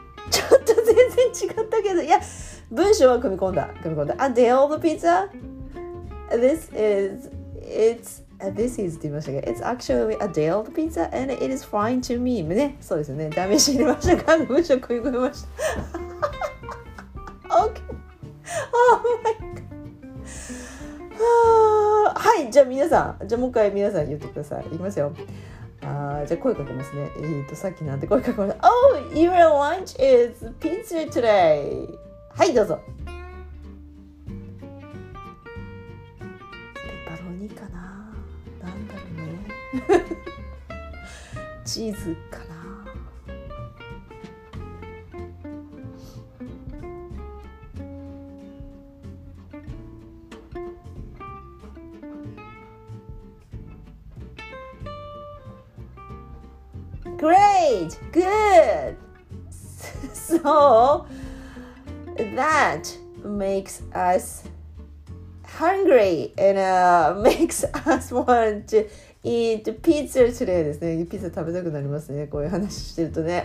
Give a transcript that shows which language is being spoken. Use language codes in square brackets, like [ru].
[ja] ちょっと全然違ったけど、いや、文章は組み込んだ。 [en] A day old pizza. This is [ja] って言いましたけど、 [en] it's actually a day old pizza and it is fine to me. [ja] ね、そうですよね。ダメージ入れましたか？文章組み込みました。 [en] Okay. Oh my god. [ja] はい、じゃあ皆さん、じゃあもう一回皆さん言ってください。いきますよ。じゃあ声かけますね。さっきなんて声かけました。 [en] Oh, your lunch is pizza today. [ja] はい、どうぞ。ペパロニかな。なんだろうね。チーズかな。 [en] Great! Good! So, that makes us hungry and makes us want to eat pizza today [ja] ですね。ピザ食べたくなりますね。こういう話してるとね。